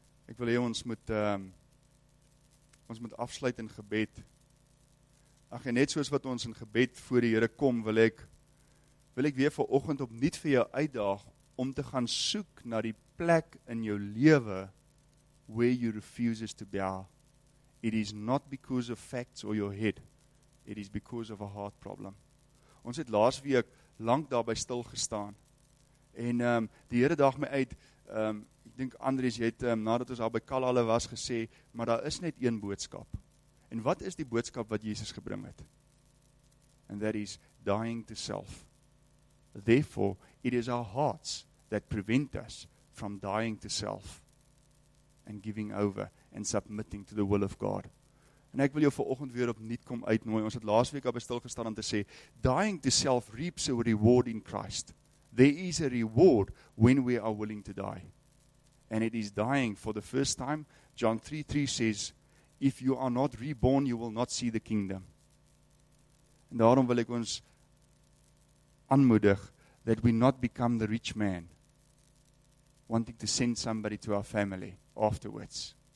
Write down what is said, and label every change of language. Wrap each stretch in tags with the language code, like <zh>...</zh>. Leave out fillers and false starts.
<af>Ek wil hê ons moet afsluit in gebed. Ag, net soos wat ons in gebed voor die Here kom, wil ek weer vanoggend opnuut vir jou uitdaag om te gaan soek na die plek in jou lewe</af> <en>where you refuse to bow. It is not because of facts or your head. It is because of a heart problem.</en> <af>Ons het laas week lank daarby stil gestaan. En die Here daag my uit, ek dink Andries, jy het nadat ons daar by Kalale was gesê, maar daar is net een boodskap. En wat is die boodskap wat Jesus gebring het?</af> <en>And that is dying to self. Therefore, it is our hearts that prevent us from dying to self and giving over and submitting to the will of God.</en> <af>En ek wil jou vanoggend weer opnuut kom uitnooi. Ons het laas week al stil gestaan om te sê,</af> <en>dying to self reaps a reward in Christ. There is a reward when we are willing to die. And it is dying for the first time. John 3:3 says, if you are not reborn, you will not see the kingdom.</en> <af>En daarom wil ek ons aanmoedig</af> <en>that we not become the rich man wanting to send somebody to our family afterwards.</en>